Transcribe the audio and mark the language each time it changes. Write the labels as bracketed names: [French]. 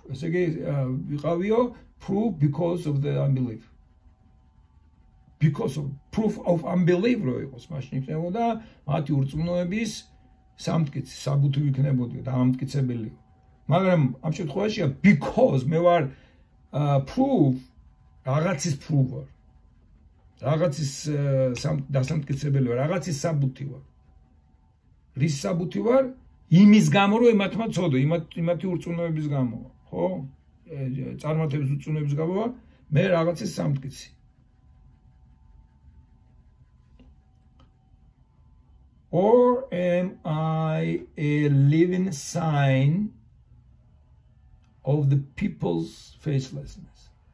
[Georgian] ეს იგი ვიყავიო [English] proof because of the unbelief. Because of proof of unbelief, [Georgian] რო იყოს მაშინ იქნებოდა მათი ურწმუნოების სამტკიცი, საბუთი იქნებოდა და ამტკიცებელი. მაგრამ ამ შემთხვევაშია because მე ვარ proof რაღაცის ფუვარ. რაღაცის დასამტკიცებელი ვარ, რაღაცის საბუთი ვარ. რის საბუთი ვარ? იმის გამო, რომ მათმა ცოდო, იმათი ურწმუნოების გამო, ხო? წარმართების ურწმუნოების გამო ვარ, მე რაღაცის სამტკიცი. [English] Or am I a living sign of the people's faithlessness?